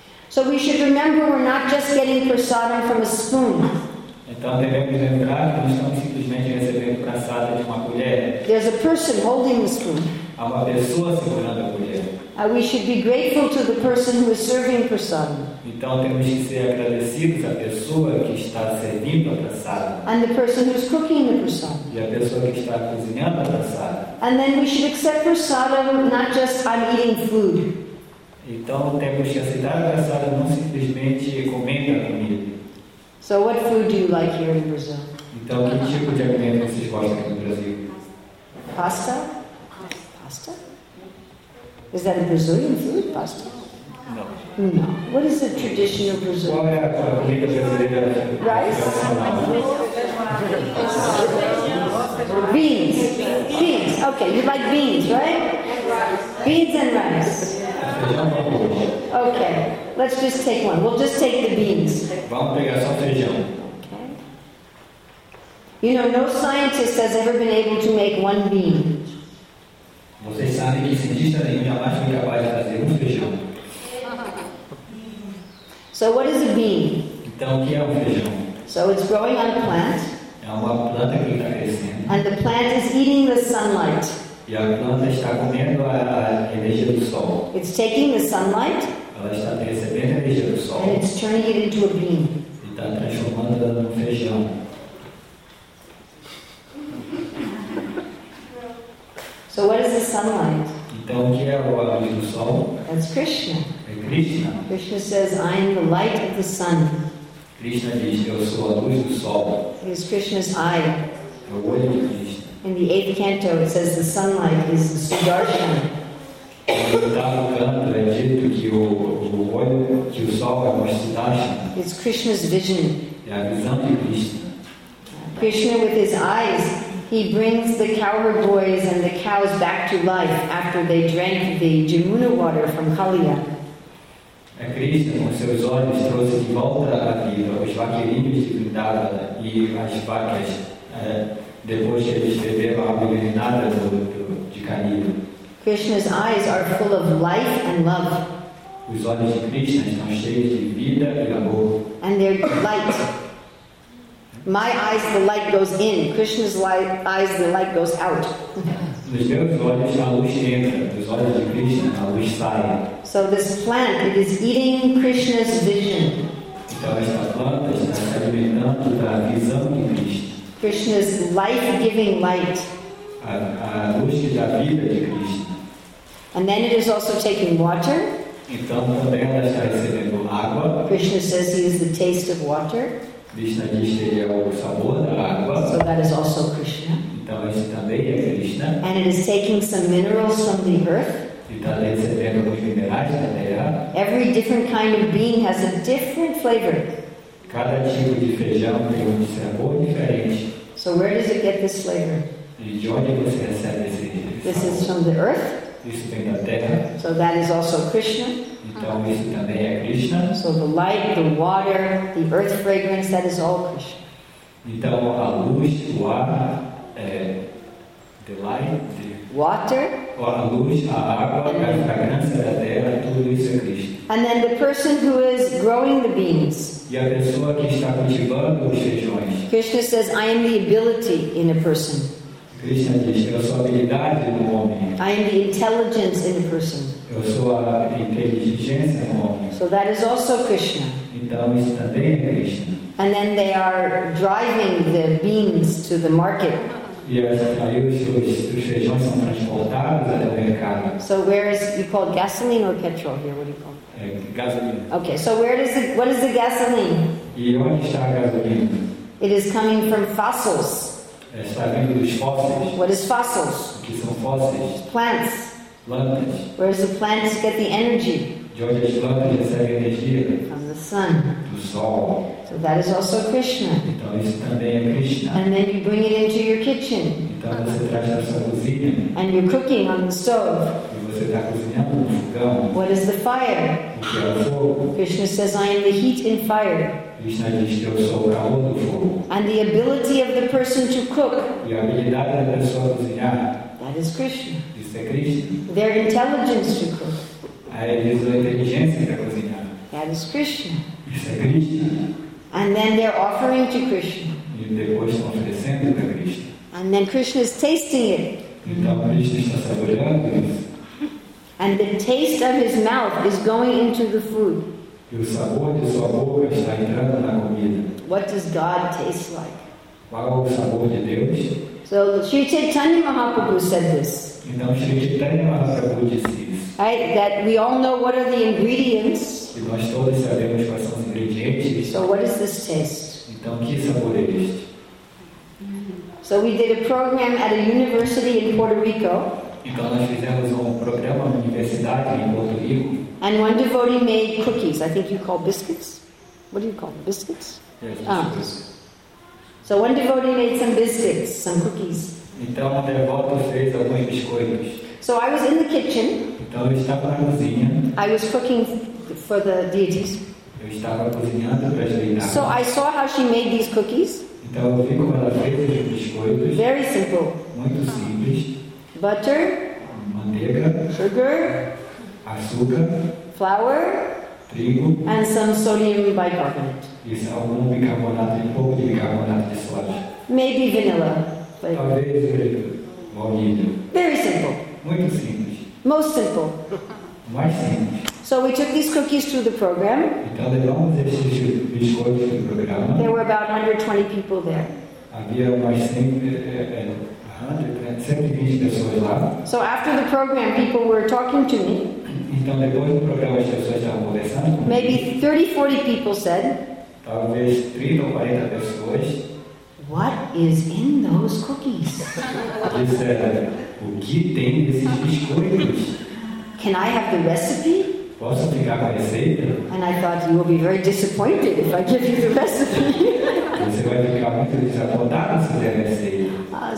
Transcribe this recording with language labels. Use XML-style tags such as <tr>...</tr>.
<en>So we should remember we're not just getting prasada from a spoon.</en> <pt>Então devemos lembrar que não estamos simplesmente recebendo prasada de uma colher.</pt> <en>There's a person holding the spoon.</en> <pt>Há uma pessoa segurando a colher.</pt> <en>We should be grateful to the person who is serving prasada.</en> <pt>Então temos que ser agradecidos à pessoa que está servindo a prasada.</pt> <en>And the person who is cooking the prasada.</en> <pt>E a pessoa que está cozinhando a prasada.</pt> <en>And then we should accept prasada not just I'm eating food.</en> <pt>Então temos que aceitar a prasada não simplesmente comendo a comida.</pt> <en>So what food do you like here in Brazil?</en> <pt>Então que tipo de alimento vocês gostam aqui no Brasil?</pt> <en>Pasta? Pasta? Is that a Brazilian food, pasta? No. No. What is the tradition of Brazil?</en> <pt>Qual é a comida brasileira?</pt> <en>Rice? Beans. Beans. Okay, you like beans, right? Beans and rice. Okay, let's just take one. We'll just take the beans.</en> <pt>Vamos pegar só feijão.</pt> <en>Okay. You know, no scientist has ever been able to make one bean.</en> <pt>Vocês sabem que cientista nenhum jamais foi capaz de fazer um feijão.</pt> <en>So what is a bean?</en> <pt>Então o que é um feijão?</pt> <en>So it's growing on a plant.</en> <pt>É uma planta que está crescendo.</pt> <en>And the plant is eating the sunlight.</en> <pt>E a planta está comendo a energia do sol.</pt> <en>It's taking the sunlight.</en> <pt>Ela está recebendo a energia do sol.</pt> <en>And it's turning it into a bean.</en> <pt>E está transformando ela num feijão.</pt> <en>So what is the sunlight?</en> <pt>Então o que é a luz do sol?</pt> <en>That's Krishna.</en> <pt>É Krishna.</pt> <en>Krishna says, I am the light of the sun.</en> <pt>Krishna diz, eu sou a luz do sol.</pt> <en>It is Krishna's eye.</en> <pt>É o olho de Krishna.</pt> <en>In the eighth canto it says the sunlight is the Sudarshan.</en> <pt>No oitavo canto é dito que o olho, que o sol é o Sudarshan.</pt> <en>It's Krishna's vision.</en> <pt>É a visão de Krishna.</pt> <en>Krishna with his eyes. He brings the cowherd boys and the cows back to life after they drank the Jamuna water from Kaliya.</en> <pt>É Krishna com seus olhos trouxe de volta à vida os vaqueirinhos de Vrindavan e as vacas depois que eles beberam a água envenenada de Kaliya.</pt> <en>Krishna's eyes are full of life and love.</en> <pt>Os olhos de Krishna estão cheios de vida e amor.</pt> <en>And their light. My eyes, the light goes in. Krishna's light, eyes, the light goes out.</en> <pt>Nos meus olhos, a luz entra. Nos olhos de Krishna, a luz sai.</pt> <en>So this plant, it is eating Krishna's vision.</en> <pt>Então esta planta está se alimentando da visão de Krishna.</pt> <en>Krishna's life-giving light.</en> <pt>A luz da vida de Krishna.</pt> <en>And then it is also taking water.</en> <pt>Então também ela está recebendo água.</pt> <en>Krishna says he is the taste of water.</en> <pt>Krishna diz que ele é o sabor da água.</pt> <en>So that is also Krishna.</en> <pt>Então esse também é Krishna.</pt> <en>And it is taking some minerals from the earth.</en> <pt>Então ele está recebendo alguns minerais da terra.</pt> <en>Every different kind of bean has a different flavor.</en> <pt>Cada tipo de feijão tem um sabor diferente.</pt> <en>So where does it get this flavor?</en> <pt>E de onde você recebe esse sabor?</pt> <en>This is from the earth.</en> <pt>Isso vem da terra.</pt> <en>So that is also Krishna.</en> <pt>Então isso também é Krishna.</pt> <en>So the light, the water, the earth fragrance, that is all Krishna.</en> <pt>Então a luz, o ar,</pt> <en>the light, the water.</en> <pt>A luz, a água, and a fragrância da terra, tudo isso é Krishna.</pt> <en>And then the person who is growing the beans.</en> <pt>E a pessoa que está cultivando os feijões.</pt> <en>Krishna says, I am the ability in a person.</en> <pt>Krishna diz, eu sou a habilidade do homem.</pt> <en>I am the intelligence in a person.</en> <pt>Eu sou a inteligência do homem.</pt> <en>So that is also Krishna.</en> <pt>Então isso também é Krishna.</pt> <en>And then they are driving the beans to the market.</en> <pt>Yes, aí os feijões são transportados até o mercado.</pt> <en>So where is, you call gasoline or petrol here? What do you call? Gasoline. Okay, so where does it, what is the gasoline?</en> <pt>E onde está a gasolina?</pt> <en>It is coming from fossils.</en> <pt>Está vindo dos fósseis.</pt> <en>What is fossils?</en> <pt>Que são fósseis.</pt> <en>Plants.</en> <pt>Plantas.</pt> <en>Where does the plants get the energy?</en> <pt>De onde as plantas recebem energia?</pt> <en>From the sun.</en> <pt>Do sol.</pt> <en>So that is also Krishna.</en> <pt>Então isso também é Krishna.</pt> <en>And then you bring it into your kitchen.</en> <pt>Então você traz para a sua cozinha.</pt> <en>And you're cooking on the stove.</en> <pt>E você está cozinhando no fogão.</pt> <en>What is the fire?</en> <pt>O que é o fogo?</pt> <en>Krishna says, I am the heat in fire.</en> <pt>Krishna diz que eu sou o calor do fogo.</pt> <en>And the ability of the person to cook.</en> <pt>E a habilidade da pessoa cozinhar.</pt> <en>That is Krishna.</en> <pt>Isso é Krishna.</pt> <en>Their intelligence to cook.</en> <pt>Aí eles usam a inteligência para cozinhar.</pt> <en>That is Krishna.</en> <pt>Isso é Krishna.</pt> <en>And then they're offering to Krishna.</en> <pt>E depois estão oferecendo para Krishna.</pt> <en>And then Krishna is tasting it.</en> <pt>Então Krishna está saboreando isso.</pt> <en>And the taste of his mouth is going into the food.</en> <pt>E o sabor de sua boca está entrando na comida.</pt> <en>What does God taste like?</en> <pt>Qual é o sabor de Deus?</pt> <en>So Sri Chaitanya Mahaprabhu said this.</en> <pt>Então Sri Chaitanya Mahaprabhu disse isso.</pt> <en>Right, that we all know what are the ingredients.</en> <pt>E nós todos sabemos quais são os ingredientes.</pt> <en>So what is this taste?</en> <pt>Então que sabor é este?</pt> <en>So we did a program at a university in Puerto Rico.</en> <pt>Então nós fizemos programa na universidade em Puerto Rico.</pt> <en>And one devotee made cookies. I think you call biscuits. What do you call them? Biscuits? Yes. So one devotee made some biscuits, some cookies.</en> <pt>Então um devoto fez alguns biscoitos.</pt> <en>So I was in the kitchen.</en> <pt>Então eu estava na cozinha.</pt> <en>I was cooking for the deities.</en> <pt>Eu estava cozinhando para as deidades.</pt> <en>So I saw how she made these cookies.</en> <pt>Então eu vi como ela fez os biscoitos.</pt> <en>Very simple.</en> <pt>Muito simples.</pt> <en>Butter.</en> <pt>Manteiga.</pt> <en>Sugar.</en> <pt>Açúcar.</pt> <en>Flour.</en> <pt>Trigo.</pt> <en>And some sodium bicarbonate.</en> <pt>Isso, algum bicarbonato, um pouco de bicarbonato de sódio.</pt> <en>Maybe vanilla.</en> <pt>Talvez baunilha.</pt> <en>Very simple.</en> <pt>Muito simples.</pt> <en>Most simple.</en> <pt>Mais simples.</pt> <en>So we took these cookies through the program.</en> <pt>Então levamos esses biscoitos para o programa.</pt> <en>There were about 120 people there.</en> <pt>Havia mais 120 pessoas lá.</pt> <en>So after the program, people were talking to me.</en> <pt>Então depois do programa, as pessoas estavam conversando comigo.</pt> <en>Maybe 30, 40 people said.</en> <pt>Talvez 30 ou 40 pessoas.</pt> <en>What is in those cookies?</en> <pt>Disseram, o que tem nesses biscoitos?</pt> <en>Can I have the recipe?</en> <pt>Posso pegar a receita?</pt> <en>And I thought, you will be very disappointed if I give you the recipe.</en> <pt>Você vai ficar muito desapontado se der a receita.</pt>